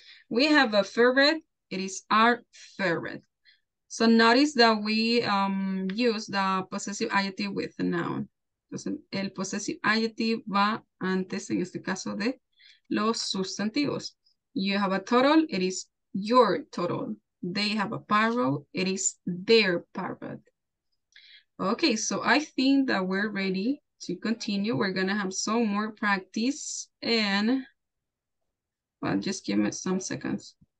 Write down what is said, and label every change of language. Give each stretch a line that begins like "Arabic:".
English: We have a ferret, it is our ferret. So notice that we use the possessive adjective with a noun.
Spanish: Entonces, el possessive adjective va antes, en este caso, de los sustantivos.
English: You have a turtle, it is your turtle. They have a parrot, it is their parrot. Okay, so I think that we're ready to continue. We're gonna have some more practice and, well, just give me some seconds.